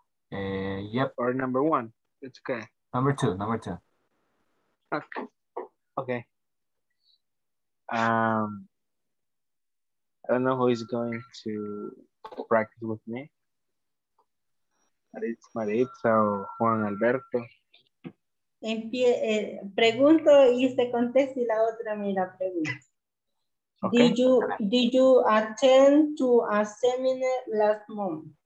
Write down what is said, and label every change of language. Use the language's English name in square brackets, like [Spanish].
[English] Yep. Or number one. It's okay. Number two. Okay. I don't know who is going to practice with me. [Spanish] Maritza o Juan Alberto. En pie, pregunto y se contesta y la otra me la pregunta. [English] Okay. Did you attend to a seminar last month?